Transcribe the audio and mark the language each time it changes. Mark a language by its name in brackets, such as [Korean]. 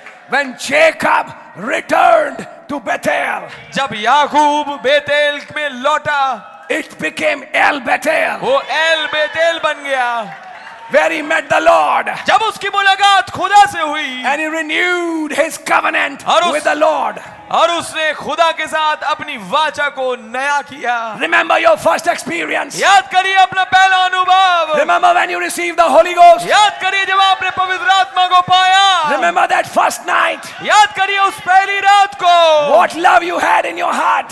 [English] When Jacob returned to Bethel. [Hindi] जब याकूब बेतेल में लौटा। [English] It became El Bethel. [Hindi] वो El Bethel बन गया। [English] Where he met the Lord. [Hindi] जब उसकी मुलाकात खुदा से हुई। [English] And he renewed his covenant with the Lord. [Hindi] और उसने खुदा के साथ अपनी वाचा को नया किया। [English] Remember your first experience. [Hindi] याद करिए अपना पहला अनुभव। [English] Remember when you received the Holy Ghost. [Hindi] याद करिए जब आपने पवित्र आत्मा को पाया। [English] Remember that first night. [Hindi] याद करिए उस पहली रात को। [English] What love you had in your heart.